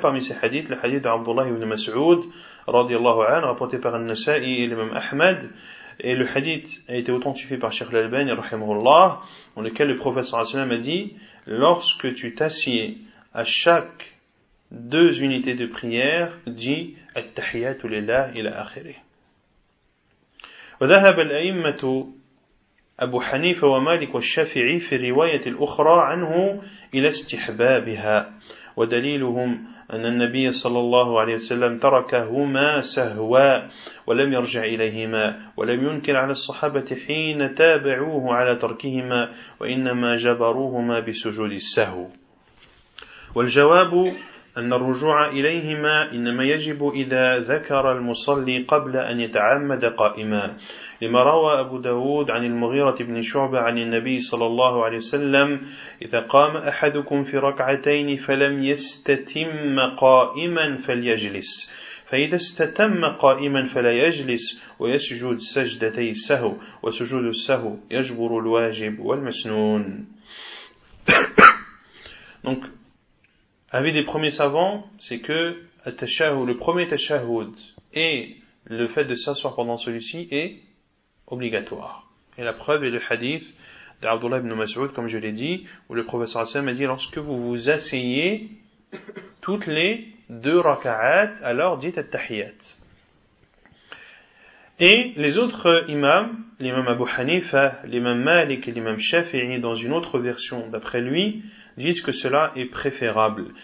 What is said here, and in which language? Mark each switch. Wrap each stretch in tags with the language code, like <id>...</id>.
<fr>Parmi ces hadiths, le hadith d'Abdullah ibn Mas'ud, radiyallahu anhu, rapporté par An-Nasa'i et l'imam Ahmad. Et le hadith a été authentifié par Cheikh l'Albani, rahimahullah, dans lequel le prophète sallallahu alayhi wa sallam a dit « Lorsque tu t'assieds à chaque deux unités de prière, dit</fr> <ar>التحيات لله إلى آخره. وذهب الأئمة أبو حنيفة ومالك والشافعي في الرواية الأخرى عنه إلى استحبابها ودليلهم أن النبي صلى الله عليه وسلم تركهما سهوا ولم يرجع إليهما ولم ينكر على الصحابة حين تابعوه على تركهما وإنما جبروهما بسجود السهو والجواب أن الرجوع إليهما إنما يجب إذا ذكر المصلي قبل أن يتعمد قائما لما روى أبو داود عن المغيرة بن شعبة عن النبي صلى الله عليه وسلم إذا قام أحدكم في ركعتين فلم يستتم قائما فليجلس فإذا استتم قائما فلا يجلس ويسجد سجدتي السهو وسجود السهو يجبر الواجب والمسنون.</ar> <fr>Donc avis des premiers savants, c'est que le premier tashahhud et le fait de s'asseoir pendant celui-ci est obligatoire. Et la preuve est le hadith d'Abdullah ibn Mas'ud, comme je l'ai dit, où le prophète sallallahu alayhi wa sallam a dit « Lorsque vous vous asseyez toutes les deux raka'at, alors dites at-tahiyat. » Et les autres imams, l'imam Abu Hanifa, l'imam Malik et l'imam Shafi'i, dans une autre version d'après lui, disent que cela est préférable.</fr>